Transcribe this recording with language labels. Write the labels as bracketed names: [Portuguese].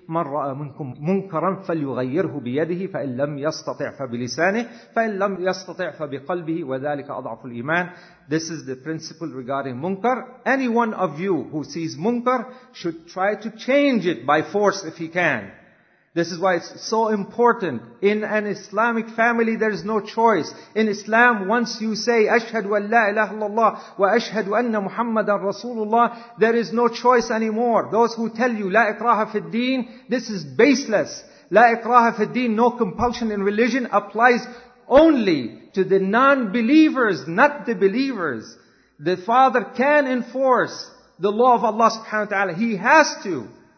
[Arabic] مَنْ رَأَى مِنْكُمْ مُنْكَرًا فَلْيُغَيِّرْهُ بِيَدِهِ فَإِنْ لَمْ يَسْتَطِعْ فَبِلِسَانِهِ فَإِنْ لَمْ يَسْتَطِعْ فَبِقَلْبِهِ وَذَلِكَ أَضْعَفُ الْإِيمَانِ. [English] This is the principle regarding munkar. Any one of you who sees munkar should try to change it by force if he can. This is why it's so important. In an Islamic family, there is no choice. In Islam, once you say, [Arabic] أشهد أن لا إله إلا الله وأشهد أن محمد رسول الله, [English] there is no choice anymore. Those who tell you, [Arabic] لا إكراه في الدين, [English] this is baseless. [Arabic] لا إكراه في الدين, [English] no compulsion in religion, applies only to the non-believers, not the believers. The father can enforce the law of Allah subhanahu wa ta'ala. He has to.